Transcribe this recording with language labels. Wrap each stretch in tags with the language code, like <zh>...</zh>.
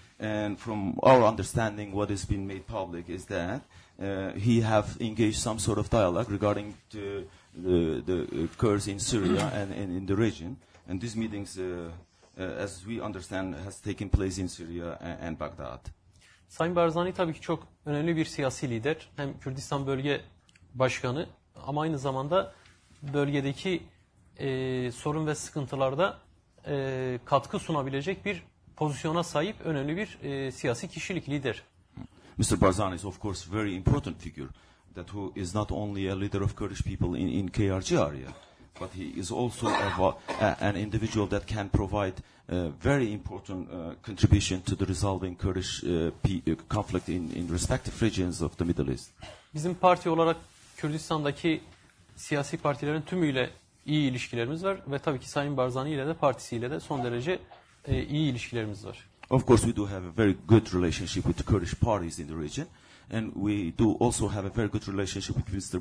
<en>And from our understanding, what has been made public is that he have engaged some sort of dialogue regarding the Kurds in Syria and in the region. And these meetings, as we understand, has taken place in Syria and Baghdad.</en> <tr>Sayın Barzani tabii ki çok önemli bir siyasi lider. Hem Kürdistan bölge başkanı ama aynı zamanda bölgedeki sorun ve sıkıntılarda katkı sunabilecek bir pozisyona sahip önemli bir siyasi kişilik, lider.</tr> <en>Mr. Barzani is of course very important figure that who is not only a leader of Kurdish people in KRG area, but he is also an individual that can provide a very important contribution to the resolving Kurdish conflict in respective regions of the Middle East.</en> <tr>Bizim parti olarak Kürdistan'daki siyasi partilerin tümüyle iyi ilişkilerimiz var ve tabii ki Sayın Barzani ile de partisiyle de son derece iyi ilişkilerimiz var.</tr> <en>Of course, we do have a very good relationship with the Kurdish parties in the region, and we do also have a very good relationship with Mr.</en>